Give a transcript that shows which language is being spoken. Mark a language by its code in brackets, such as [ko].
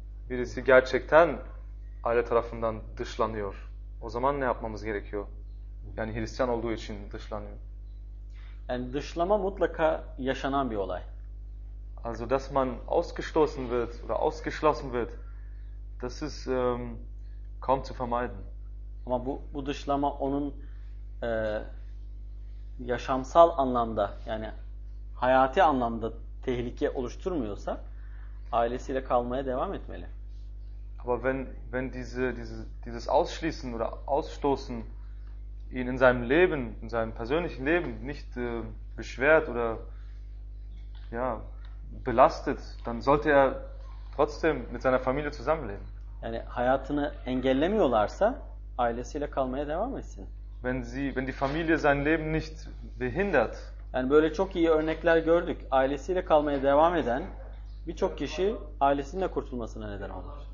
[tr] Birisi gerçekten aile tarafından dışlanıyor. O zaman ne yapmamız gerekiyor? Yani Hristiyan olduğu için dışlanıyor. Yani dışlama mutlaka yaşanan bir olay. [de] Also dass man ausgestoßen wird oder ausgeschlossen wird, das ist kaum zu vermeiden. [tr] Ama bu dışlama onun yaşamsal anlamda, yani hayati anlamda tehlike oluşturmuyorsa ailesiyle kalmaya devam etmeli. [de] Aber wenn dieses Ausschließen oder Ausstoßen ihn in seinem Leben, in seinem persönlichen Leben nicht beschwert oder ja, belastet, dann sollte er trotzdem mit seiner Familie zusammenleben. [tr] Yani hayatını engellemiyorlarsa ailesiyle kalmaya devam etsin. [de] Wenn die Familie sein Leben nicht behindert. [tr] Yani böyle çok iyi örnekler gördük. Ailesiyle kalmaya devam eden birçok kişi ailesinin de kurtulmasına neden olur.